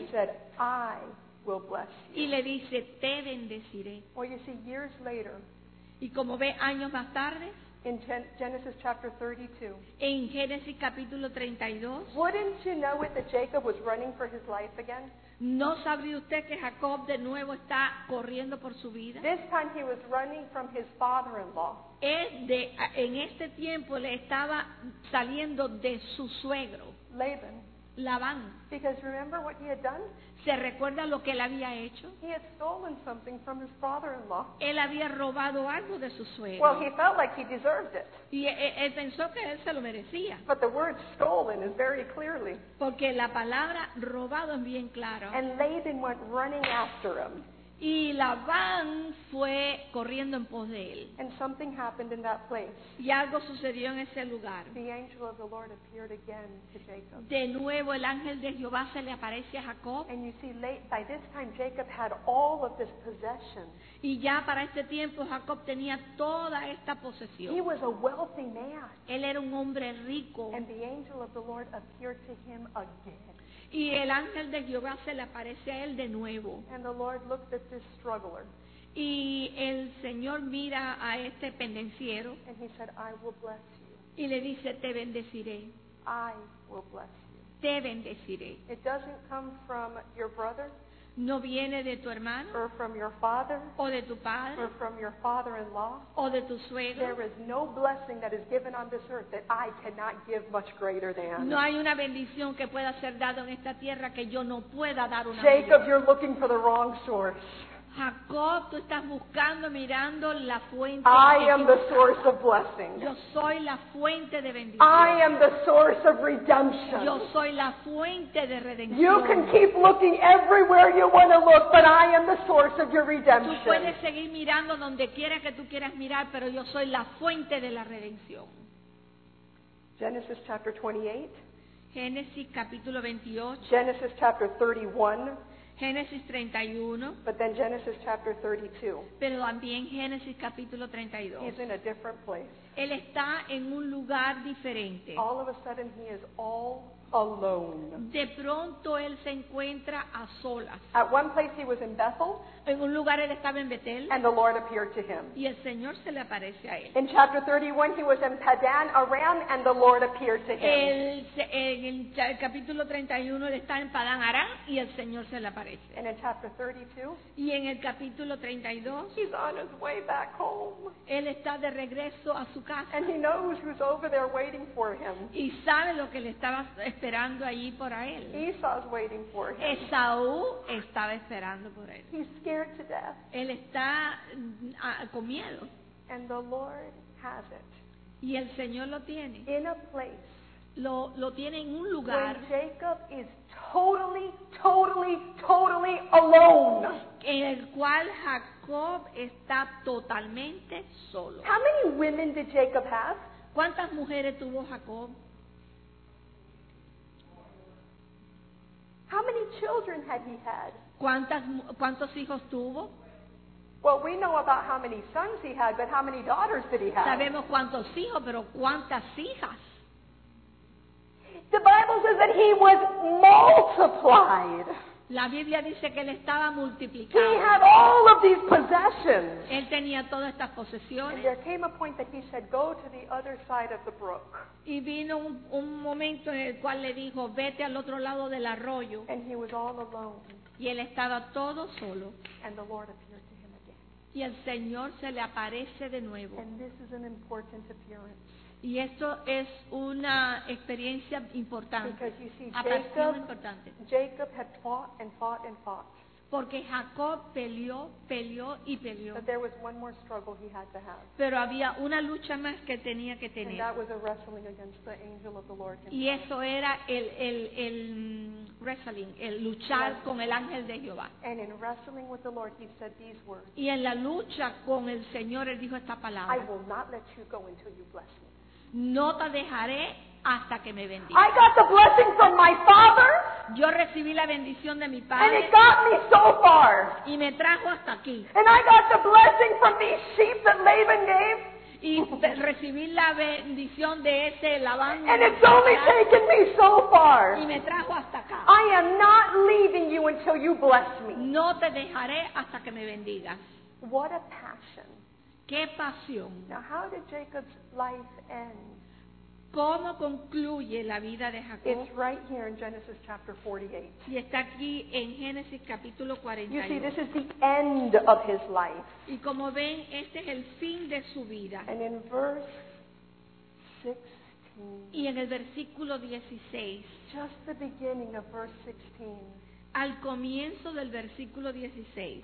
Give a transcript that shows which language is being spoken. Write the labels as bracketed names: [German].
[English] And he said, I will bless you. [Spanish] Y le dice, te bendeciré. [English] Well, you see, years later, [Spanish] y como ve años más tarde, [English] in Genesis chapter 32, [Spanish] en Génesis capítulo 32, [English] wouldn't you know it that Jacob was running for his life again? [Spanish] ¿No sabría usted que Jacob de nuevo está corriendo por su vida? [English] This time he was running from his father-in-law. [Spanish] En este tiempo le estaba saliendo de su suegro, [English] Laban. [Spanish] Labán. [English] Because remember what he had done? [Spanish] ¿Se recuerda lo que él había hecho? [English] He had stolen something from his father-in-law. [Spanish] Él había robado algo de su suegro. [English] Well, he felt like he deserved it. [Spanish] Y él pensó que él se lo merecía. [English] But the word stolen is very clearly. [Spanish] Porque la palabra robado es bien claro. [English] And Laban went running after him. [Spanish] Y Labán fue corriendo en pos de él. [English] And something happened in that place. [Spanish] Y algo sucedió en ese lugar. [English] The angel of the Lord appeared again to Jacob. [Spanish] De nuevo el ángel de Jehová se le aparece a Jacob. [English] And you see, by this time Jacob had all of this possession. [Spanish] Y ya para este tiempo Jacob tenía toda esta posesión. [English] He was a wealthy man. [Spanish] Él era un hombre rico. [English] And the angel of the Lord appeared to him again. [Spanish] Y el ángel de Jehová se le aparece a él de nuevo. [English] And the Lord looked at this struggler. [Spanish] Y el Señor mira a este pendenciero. [English] And he said, I will bless you. [Spanish] Y le dice, te bendeciré. [English] I will bless you. [Spanish] Te bendeciré. [English] It doesn't come from your brother. [Spanish] No viene de tu hermano. [English] Or from your father. [Spanish] O de tu padre. [English] Or from your father-in-law. [Spanish] O de tu suegro. [English] There is no blessing that is given on this earth that I cannot give much greater than. [Spanish] No hay una bendición que pueda ser dada en esta tierra que yo no pueda dar una. Jacob, mayor. [English] You're looking for the wrong source. [Spanish] Jacob, tú estás buscando, mirando la fuente. [English] I am the source of blessing. [Spanish] Yo soy la fuente de bendición. [English] I am the source of redemption. [Spanish] Yo soy la fuente de redención. [English] You can keep looking everywhere you want to look, but I am the source of your redemption. [Spanish] Tú puedes seguir mirando donde quiera que tú quieras mirar, pero yo soy la fuente de la redención. [English] Genesis chapter 28. [Spanish] Génesis capítulo 28. [English] Genesis chapter 31. [Spanish] Génesis 31. [English] But then Genesis chapter 32. [Spanish] Pero también Génesis capítulo 32. [English] He's in a different place. [Spanish] Él está en un lugar diferente. [English] All of a sudden he is all alone. [Spanish] De pronto él se encuentra a solas. [English] At one place he was in Bethel. [Spanish] En un lugar él estaba en Betel. [English] And the Lord appeared to him. [Spanish] Y el Señor se le aparece a él. [English] In chapter 31 he was in Padan Aram and the Lord appeared to him. [Spanish] En el capítulo 31 él está en Padan Aram y el Señor se le aparece. [English] And in chapter 32. [Spanish] Y en el capítulo 32. [English] He's on his way back home. [Spanish] Él está de regreso a su casa. [English] And he knows who's over there waiting for him. [Spanish] Y sabe lo que le estaba esperando allí por a él. [English] Esau's waiting for him. [Spanish] Esaú estaba esperando por él. [English] Scared to death. [Spanish] Él está con miedo. [English] And the Lord has it. [Spanish] Y el Señor lo tiene. [English] In a place. [Spanish] Lo tiene en un lugar. [English] When Jacob is totally, totally, totally alone. [Spanish] En el cual Jacob está totalmente solo. [English] How many women did Jacob have? [Spanish] ¿Cuántas mujeres tuvo Jacob? [English] How many children had he had? [Spanish] ¿Cuántos hijos tuvo? [English] Well, we know about how many sons he had, but how many daughters did he have? [Spanish] Sabemos cuántos hijos, pero cuántas hijas. [English] The Bible says that he was multiplied. [Spanish] La Biblia dice que él estaba multiplicado. [English] He had all of these possessions. [Spanish] Él tenía todas estas posesiones. [English] And there came a point that he said, "Go to the other side of the brook." [Spanish] Y vino un momento en el cual le dijo, "Vete al otro lado del arroyo." [English] And he was all alone. [Spanish] Y él estaba todo solo. [English] And the Lord appeared to him again. [Spanish] Y el Señor se le aparece de nuevo. [English] And this is an important appearance. [Spanish] Y esto es una experiencia importante. [English] Because you see, Jacob had fought and fought and fought. [Spanish] Porque Jacob peleó, peleó y peleó. [English] But there was one more struggle he had to have. [Spanish] Pero había una lucha más que tenía que tener. [English] And that was a wrestling against the angel of the Lord himself. [Spanish] Y eso era el wrestling, el luchar con el ángel de Jehová. [English] And in wrestling with the Lord, he said these words. [Spanish] Y en la lucha con el Señor, él dijo esta palabra. [English] I will not let you go until you bless me. [Spanish] No te dejaré hasta que me bendiga. [English] I got the blessing from my father. [Spanish] Yo recibí la bendición de mi padre. [English] And it got me so far. [Spanish] Y me trajo hasta aquí. [English] And I got the blessing from these sheep that Laban gave. [Spanish] Y recibí la bendición de ese Labán. [English] And it's only taken me so far. [Spanish] Y me trajo hasta acá. [English] I am not leaving you until you bless me. [Spanish] No te dejaré hasta que me bendigas. [English] What a passion. [Spanish] Qué pasión. [English] Now how did Jacob's life end? [Spanish] ¿Cómo concluye la vida de Jacob? [English] It's right here in Genesis chapter 48. [Spanish] Y está aquí en Génesis capítulo 48. [English] You see, this is the end of his life. [Spanish] Y como ven, este es el fin de su vida. [English] And in verse 16. [Spanish] Y en el versículo 16. [English] Just the beginning of verse 16. [Spanish] Al comienzo del versículo 16.